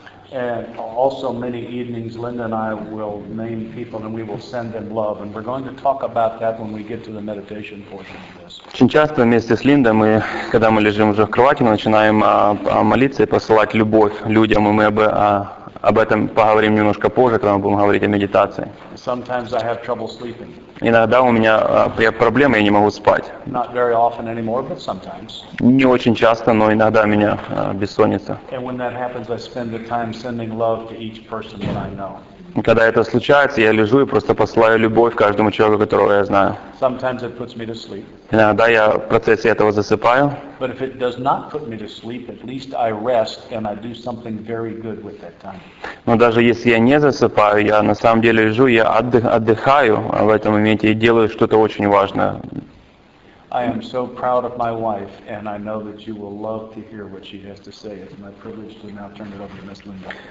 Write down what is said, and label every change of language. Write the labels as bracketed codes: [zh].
[en] And also many evenings, Linda and I will name people, and we will send them love. And we're going to talk about that when we get to the meditation portion of this. [ru] Очень часто вместе с Линдой мы, когда мы лежим уже в кровати, мы начинаем молиться и посылать любовь людям, и мы об этом поговорим немножко позже, когда мы будем говорить о медитации. [en] Sometimes I have trouble sleeping. [ru] Иногда у меня проблемы, я не могу спать. [en] Not very often anymore, but sometimes. [ru] Не очень часто, но иногда у меня бессонница. [en] And when that happens, I spend the time sending love to each person that I know. [ru] Когда это случается, я лежу и просто посылаю любовь каждому человеку, которого я знаю. [en] Sometimes it puts me to sleep. [ru] Иногда я в процессе этого засыпаю. [en] But if it does not put me to sleep, at least I rest and I do something very good with that time. [ru] Но даже если я не засыпаю, я на самом деле лежу, я отдыхаю в этом моменте и делаю что-то очень важное. [en] I am so proud of my wife, and I know that you will love to hear what she has to say. It's my privilege to now turn it over to Miss Linda.